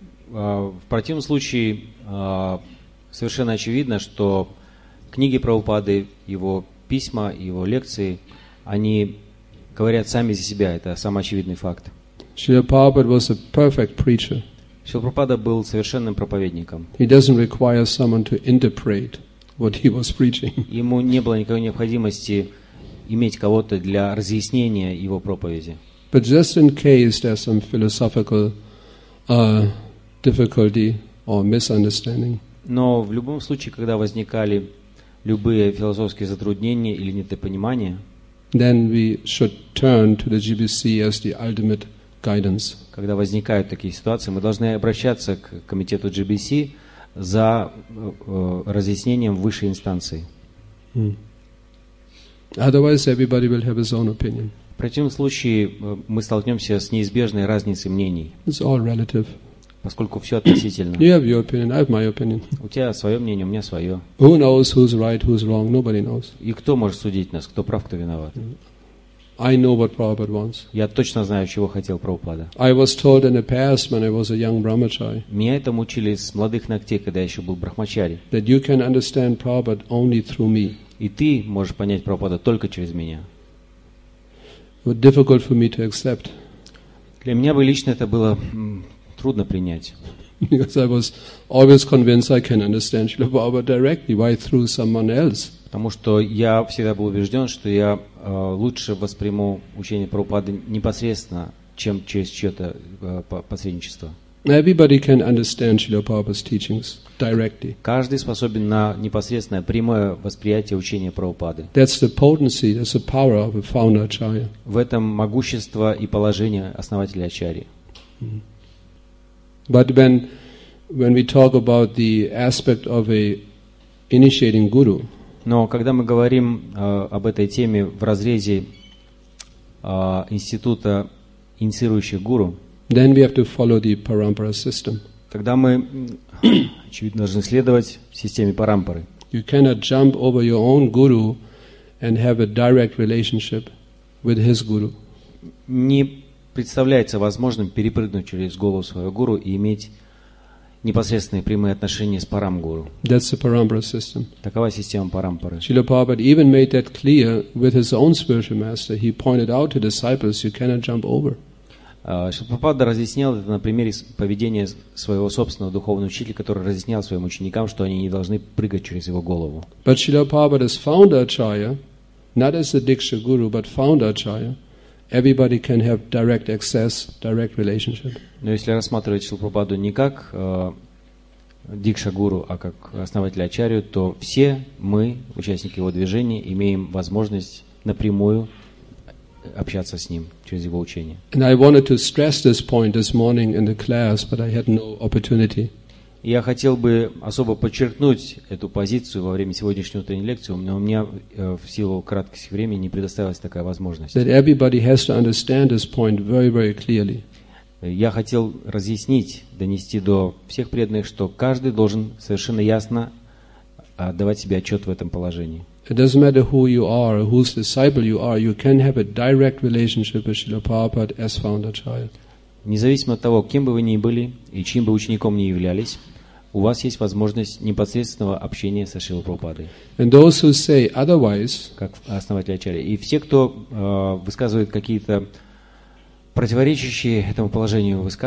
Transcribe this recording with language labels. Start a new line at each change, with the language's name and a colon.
Russian: В противном случае совершенно очевидно, что книги Прабхупады, его письма, его лекции, они говорят сами за себя. Это самый очевидный факт.
English: Srila Prabhupada was a perfect preacher.
Russian: Srila Prabhupada был совершенным проповедником.
English: He doesn't require someone to interpret what he was preaching.
Russian: Ему не было никакой необходимости иметь кого-то для разъяснения его проповеди.
English: But just in case there's some philosophical difficulty or misunderstanding.
Russian: Но в любом случае, когда возникали любые философские затруднения или недопонимания,
English: then we should turn to the GBC as the ultimate guidance.
Russian: Когда возникают такие ситуации, мы должны обращаться к комитету GBC за разъяснением высшей инстанции.
English: Otherwise, everybody will have his own opinion.
Russian: В противном случае мы столкнемся с неизбежной разницей мнений.
English: It's all relative.
Russian: Поскольку все относительно.
English: You have your opinion, I have my opinion.
Russian: У тебя свое мнение, у меня свое.
English: Who knows who's right, who's wrong? Nobody knows.
Russian: И кто может судить нас, кто прав, кто виноват?
English: I know what Prabhupada wants.
Russian: Я точно знаю, чего хотел Прабхупада.
English: I was told in the past when I was a young brahmachari.
Russian: Меня это мучили с молодых ногтей, когда я еще был брахмачари.
English: That you can understand Prabhupada only through me.
Russian: И ты можешь понять Прабхупада только через меня.
English: It was difficult for me to accept.
Russian: Для меня бы лично это было трудно принять.
English: Because I was always convinced I can understand Srila Prabhupada directly. Why through someone else?
Russian: Потому что я всегда был убежден, что я лучше восприму учение Прабхупады непосредственно, чем через чье-то посредничество.
English: Everybody can understand Srila Prabhupada's teachings directly.
Russian: Каждый способен на непосредственное, прямое восприятие учения Прабхупады.
English: That's the potency, that's the power of a founder acharya.
Russian: В этом могущество и положение основателя ачарьи.
English: But when we talk about the aspect of a initiating guru.
Russian: Но когда мы говорим об этой теме в разрезе института инициирующих гуру.
English: Then we have to follow the parampara system.
Russian: Тогда мы, очевидно, должны следовать системе парампары.
English: You cannot jump over your own guru and have a direct relationship with his guru.
Russian: Не представляется возможным перепрыгнуть через голову своего гуру и иметь непосредственные прямые отношения с парам-гуру.
English: That's the parampara system.
Russian: Такова система парампары.
English: Srila Prabhupada even made that clear with his own spiritual master. He pointed out to disciples, you cannot jump over.
Russian: Шрила Прабхупада разъяснял это на примере поведения своего собственного духовного учителя, который разъяснял своим ученикам, что они не должны прыгать через его голову.
English: But Shrila Prabhupada is founder acharya, not as a diksha guru, but founder acharya. Everybody can have direct access, direct relationship.
Russian: Но если рассматривать Шрилу Прабхупаду не как дикша гуру, а как основателя ачарью, то все мы, участники его движения, имеем возможность напрямую общаться с ним через его учение.
English: And I wanted to stress this point this morning in the class, but I had no opportunity.
Russian: Я хотел бы особо подчеркнуть эту позицию во время сегодняшней утренней лекции, но у меня в силу краткости времени не предоставилась такая возможность.
English: That everybody has to understand this point very, very clearly.
Russian: Я хотел разъяснить, донести до всех преданных, что каждый должен совершенно ясно отдавать себе отчет в этом положении.
English: It doesn't matter who you are, whose disciple you are, you can have a direct relationship with Srila Prabhupada as founder acharya.
Russian: Независимо от того, кем бы вы ни были и чьим бы учеником ни являлись, у вас есть возможность непосредственного общения со Шрилой Прабхупадой.
English: And those who say otherwise,
Russian: как основатель ачарья, и все, кто высказывает какие-то противоречащие этому положению,